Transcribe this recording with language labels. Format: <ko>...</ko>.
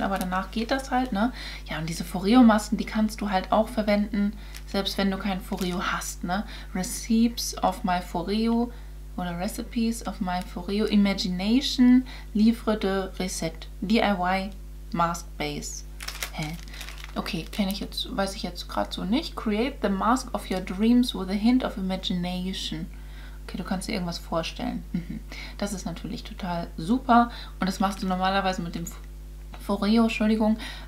<de>Aber danach geht das halt, ne? Ja, und diese Foreo-Masken, die kannst du halt auch verwenden. Selbst wenn du kein Foreo hast, ne?</de> <en>Recipes of my Foreo oder Recipes of my Foreo Imagination Livre de Recette. DIY Mask Base. Hä?</en> <de>Okay, kenne ich jetzt, weiß ich jetzt gerade so nicht.</de> <en>Create the mask of your dreams with a hint of imagination.</en> <de>Okay, du kannst dir irgendwas vorstellen. Das ist natürlich total super. Und das machst du normalerweise mit dem Foreo, Entschuldigung.</de>